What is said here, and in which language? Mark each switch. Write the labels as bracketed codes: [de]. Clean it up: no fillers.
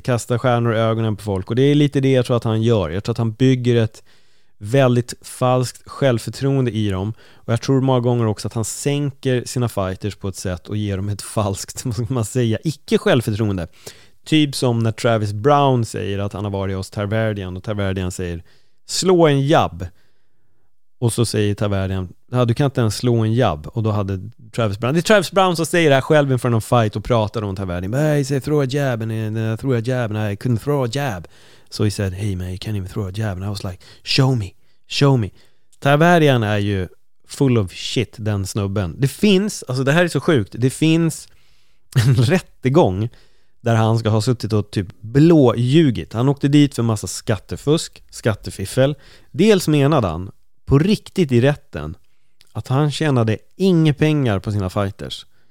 [sv] Kasta stjärnor i ögonen på folk och det är lite det jag tror att han gör. Jag tror att han bygger ett väldigt falskt självförtroende i dem och jag tror många gånger också att han sänker sina fighters på ett sätt och ger dem ett falskt, vad ska man säga, icke-självförtroende. Typ som när Travis Brown säger att han har varit hos Tarverdian och Tarverdian säger slå en jabb. Och så säger Tavarian, ja, du kan inte ens slå en jab. Och då hade Travis Brown, det är Travis Brown som säger det här själv inför någon fight och pratar om Tavarian. [en] Hey, say, throw a jab, and I threw a jab, and I couldn't throw a jab. So he said, hey man, you can't even throw a jab. And I was like, show me, show me. [sv] Tavarian är ju [en] full of shit, [sv] den snubben. Det finns, alltså det här är så sjukt, det finns en rättegång där han ska ha suttit och typ blåljugit. Han åkte dit för massa skattefusk, skattefiffel. Dels menade han på riktigt i rätten att han tjänade inga pengar på sina fighters.